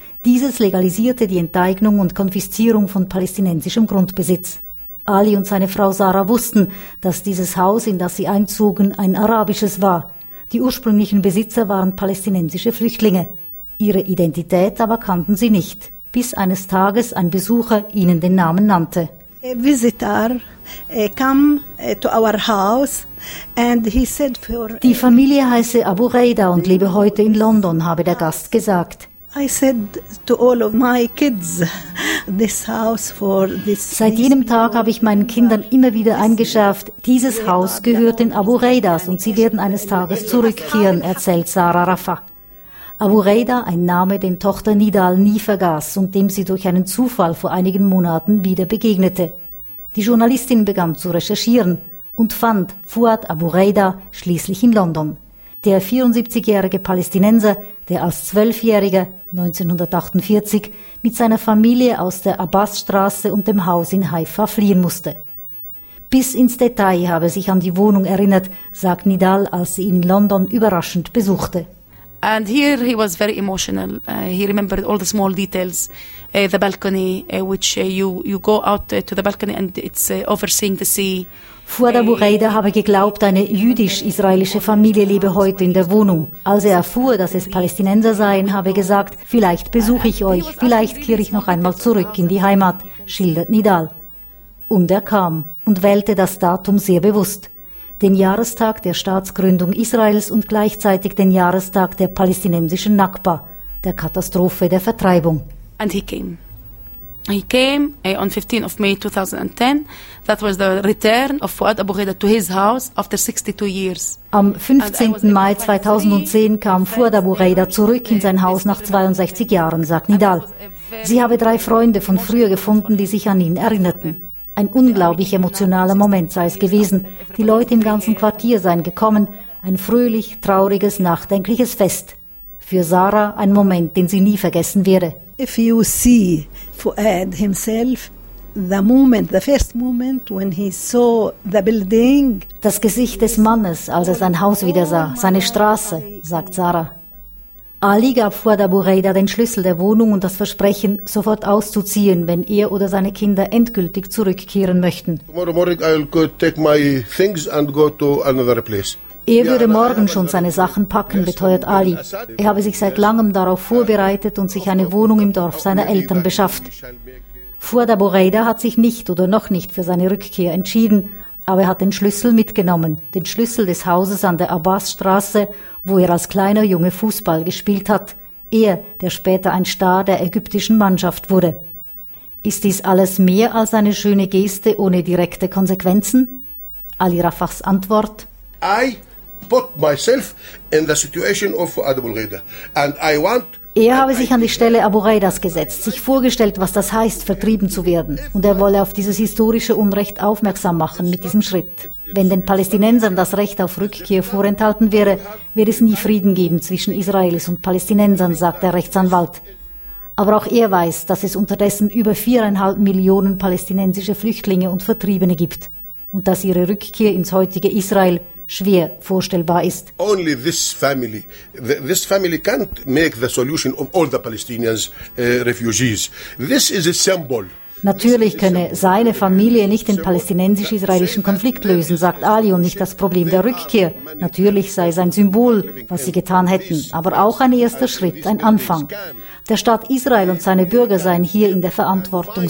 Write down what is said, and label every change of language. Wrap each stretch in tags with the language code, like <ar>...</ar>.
<de>Dieses legalisierte die Enteignung und Konfiszierung von palästinensischem Grundbesitz. Ali und seine Frau Sarah wussten, dass dieses Haus, in das sie einzogen, ein arabisches war. Die ursprünglichen Besitzer waren palästinensische Flüchtlinge. Ihre Identität aber kannten sie nicht, bis eines Tages ein Besucher ihnen den Namen nannte.</de> <en>A visitor came to our house and he said for</en> <de>die Familie heiße Abu Reida und lebe heute in London, habe der Gast gesagt.</de> <en>I said to all of my kids, this house for this.</en> <de>Seit jenem Tag habe ich meinen Kindern immer wieder eingeschärft, dieses Haus gehört den Abu Reidas und sie werden eines Tages zurückkehren, erzählt Sarah Rafa. Abu Reida, ein Name, den Tochter Nidal nie vergaß und dem sie durch einen Zufall vor einigen Monaten wieder begegnete. Die Journalistin begann zu recherchieren und fand Fuad Abu Reida schließlich in London. Der 74-jährige Palästinenser, der als 12-Jähriger 1948 mit seiner Familie aus der Abbasstraße und dem Haus in Haifa fliehen musste. Bis ins Detail habe sich an die Wohnung erinnert, sagt Nidal, als sie ihn in London überraschend besuchte.</de> <en>And here he was very emotional. He remembered all the small details, the balcony, which you go out to the balcony and it's overseeing the sea.</en> <de>Fuad Abu Reida habe geglaubt, eine jüdisch-israelische Familie lebe heute in der Wohnung. Als er erfuhr, dass es Palästinenser seien, habe gesagt, vielleicht besuche ich euch, vielleicht kehre ich noch einmal zurück in die Heimat, schildert Nidal. Und er kam und wählte das Datum sehr bewusst. Den Jahrestag der Staatsgründung Israels und gleichzeitig den Jahrestag der palästinensischen Nakba, der Katastrophe der Vertreibung.</de> <en>And he came. He came on 15 of May 2010. That was the return of Fuad Abu Reida to his house after 62 years.</en> <de>Am 15. Mai 2010 kam Fuad Abu Reida zurück in sein Haus nach 62 Jahren, sagt Nidal. Sie habe drei Freunde von früher gefunden, die sich an ihn erinnerten. Ein unglaublich emotionaler Moment sei es gewesen. Die Leute im ganzen Quartier seien gekommen. Ein fröhlich, trauriges, nachdenkliches Fest. Für Sarah ein Moment, den sie nie vergessen werde.</de> <en>If you see Fuad himself, the moment, the first moment when he saw the building.</en> <de>Das Gesicht des Mannes, als er sein Haus wieder sah, seine Straße, sagt Sarah. Ali gab Fuad Abu Reida den Schlüssel der Wohnung und das Versprechen, sofort auszuziehen, wenn er oder seine Kinder endgültig zurückkehren möchten.</de> <en>Tomorrow morning I'll go take my things and go to another place.</en> <de>Er würde morgen schon seine Sachen packen, beteuert Ali. Er habe sich seit langem darauf vorbereitet und sich eine Wohnung im Dorf seiner Eltern beschafft. Fuad Abu Reida hat sich nicht oder noch nicht für seine Rückkehr entschieden, aber er hat den Schlüssel mitgenommen, den Schlüssel des Hauses an der Abbasstraße, wo er als kleiner Junge Fußball gespielt hat. Er, der später ein Star der ägyptischen Mannschaft wurde. Ist dies alles mehr als eine schöne Geste ohne direkte Konsequenzen? Ali Rafas Antwort:</de> <en>I put myself in the situation of Abu Reida and I want.</en> <de>Er habe sich an die Stelle Abu Reidas gesetzt, sich vorgestellt, was das heißt, vertrieben zu werden. Und er wolle auf dieses historische Unrecht aufmerksam machen mit diesem Schritt. Wenn den Palästinensern das Recht auf Rückkehr vorenthalten wäre, würde es nie Frieden geben zwischen Israelis und Palästinensern, sagt der Rechtsanwalt. Aber auch er weiß, dass es unterdessen über 4,5 Millionen palästinensische Flüchtlinge und Vertriebene gibt. Und dass ihre Rückkehr ins heutige Israel schwer vorstellbar ist.</de> <en>Only this family can't make the solution of all the Palestinians refugees. This is a symbol.</en> <de>Natürlich könne seine Familie nicht den palästinensisch-israelischen Konflikt lösen, sagt Ali, und nicht das Problem der Rückkehr. Natürlich sei es ein Symbol, was sie getan hätten, aber auch ein erster Schritt, ein Anfang. Der Staat Israel und seine Bürger seien hier in der Verantwortung.</de>